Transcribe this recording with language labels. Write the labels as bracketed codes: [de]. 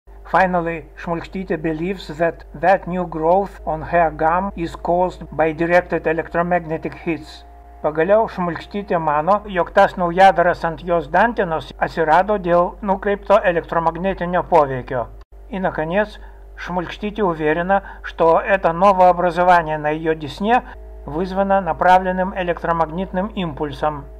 [en] Finally, Schmulstiete believes that that new growth on her gum is caused by directed electromagnetic hits. [lt] Pagaliau Šmulkštytė mano, jog tas naujadaras ant jos dantenos atsirado dėl nukreipto elektromagnetinio poveikio. [ru] И наконец, Šmulkštytė уверена, что это новообразование на ее десне вызвано направленным электромагнитным импульсом.